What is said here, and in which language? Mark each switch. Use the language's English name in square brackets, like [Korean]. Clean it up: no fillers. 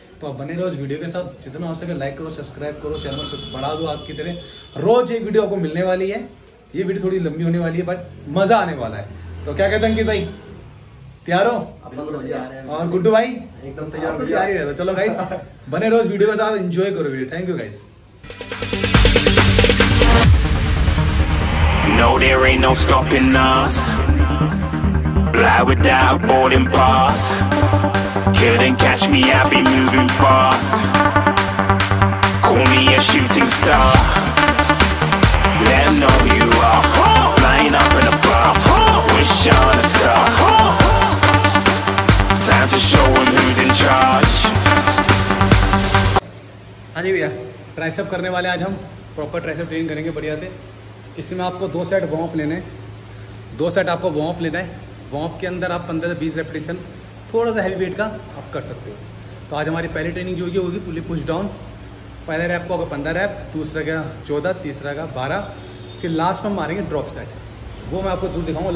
[Hindi] तो आप बने रहो इस वीडियो के साथ, जितना हो सके लाइक करो, सब्सक्राइब करो, चैनल बढ़ा दो आपकी तरह। रोज एक वीडियो आपको मिलने वाली है, ये वीडियो थोड़ी लंबी होने वाली है बट मजा आने वाला है। तो क्या कहते हैं कि भाई तैयार हो और गुड्डू भाई एकदम तैयार ही रहता। चलो गाइस बने रहो इस वीडियो के साथ, एंजॉय करो video. [English] Thank you guys. No, there ain't no stopping us. Fly without boarding pass. Couldn't catch me, I be moving fast. Call me a shooting star. Let them know you are flying up and above. Wish on a star. Time to show them who's in charge. [Hindi] हाँ जी भैया, tricep करने वाले आज हम, proper tricep training करेंगे बढ़िया से। इसमें आपको दो सेट वार्म अप लेना है। वार्म अप के अंदर आप 15 से 20 रेपिटेशन थोड़ा सा हैवी वेट का आप कर सकते हो। तो आज हमारी पहली ट्रेनिंग जो होगी पुली पुश डाउन, पहला रैप को होगा 15 रैप, दूसरा का 14, तीसरा का 12, फिर लास्ट में मारेंगे ड्रॉप सेट, वो मैं आपको जरूर दिखाऊंगा।